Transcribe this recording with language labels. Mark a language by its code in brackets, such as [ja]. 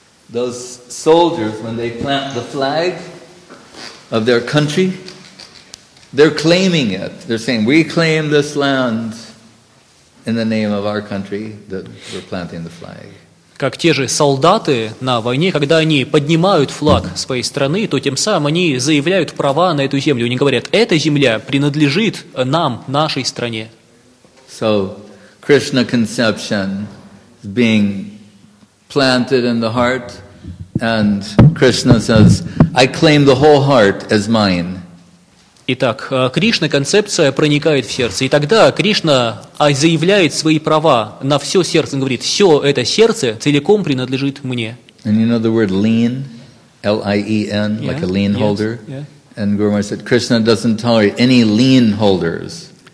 [en] Those soldiers, when they plant the flag of their country, they're claiming it. They're saying, we claim this land in the name of our country, that we're planting the flag. [ru] как те же солдаты на войне, когда они поднимают флаг своей страны, то тем самым они заявляют права на эту землю. Они говорят, эта земля принадлежит нам, нашей стране. [en] So, Krishna conception is being planted in the heart, and Krishna says, I claim the whole heart as mine. [ru] Итак, Кришна-концепция проникает в сердце, и тогда Кришна заявляет свои права на все сердце, он говорит, все это сердце целиком принадлежит мне. [en] And you know the word lien, L-I-E-N, yeah. Like a lien holder? Yes. Yeah. And Guru Maharaj said, Krishna doesn't tolerate any lien holders.